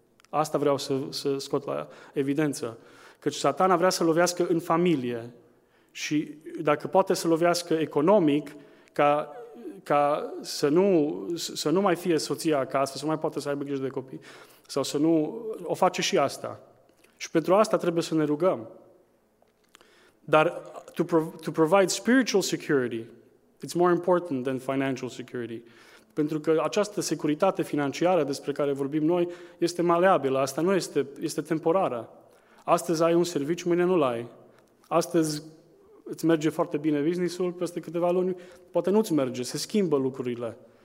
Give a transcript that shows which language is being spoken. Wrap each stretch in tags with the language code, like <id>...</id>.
<ro>Asta vreau să scot la evidență. Căci satana vrea să lovească în familie și dacă poate să lovească economic, ca să nu mai fie soția acasă, să nu mai poată să aibă grijă de copii, sau să nu... O face și asta. Și pentru asta trebuie să ne rugăm.</ro> <en>Dar to provide spiritual security, it's more important than financial security.</en> <ro>Pentru că această securitate financiară despre care vorbim noi este maleabilă, asta nu este, este temporară. Astăzi ai un serviciu, mâine nu-l ai. Astăzi îți merge foarte bine business-ul, peste câteva luni, poate nu-ți merge, se schimbă lucrurile.</ro>